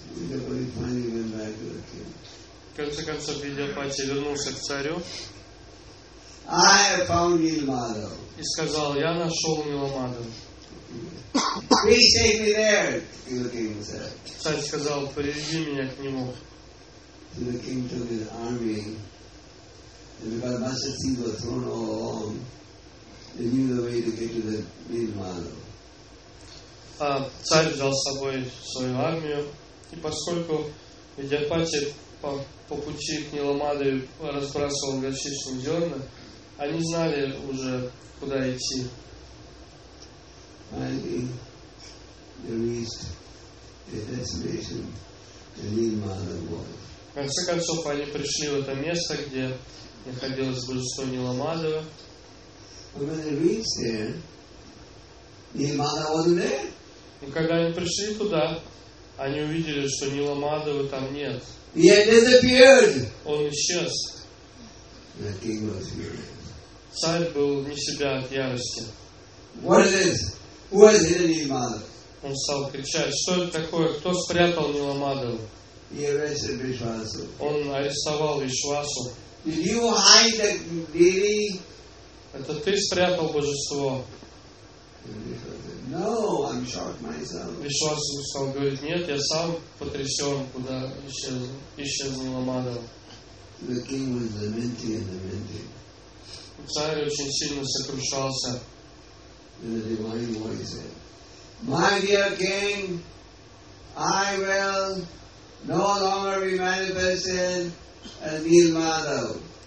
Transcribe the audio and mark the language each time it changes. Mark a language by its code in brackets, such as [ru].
[ru] В конце концов, Видьяпати вернулся к царю. [en] I have found Neel Madhav. [ru] И сказал, я нашел Нила Мадхава. [en] Please take me there, the king said. [ru] Царь сказал, приведи меня к нему. [en] So the king took his army, and because Master Singh was thrown all along, they knew the way to get to the Neel Madhav. [ru] Царь взял с собой свою армию, и поскольку Видьяпати по пути к Нилу Мадхаве разбрасывал горчичные зерна, они знали уже, куда идти. [en] Finally, they reached the destination to Neel Madhav. [ru] В конце концов, они пришли в это место, где находилось божество Нила Мадхава. [en] And when they reached there, Neel Madhav wasn't there. [ru] И когда они пришли туда, они увидели, что Нила Мадхава там нет. [en] He had disappeared. [ru] Он исчез. [en] The king was here. [ru] Царь был не себя от ярости. [en] What is this? Who has hidden Neel Madhav? [ru] Он стал кричать, что это такое? Кто спрятал Нила Мадхава? [en] He arrested Вишвасу. [ru] Он арестовал Вишвасу. [en] Did you hide the deity? [ru] Это ты спрятал божество? [en] No, I'm shocked myself. [ru] Вишвасу стал говорить, нет, я сам потрясен, куда исчез Нила Мадхава. [en] The king was lamenting and lamenting. [ru] Царь очень сильно сокрушался. [en] And the divine voice said, My dear king, I will no longer be manifested as Neel Madhav.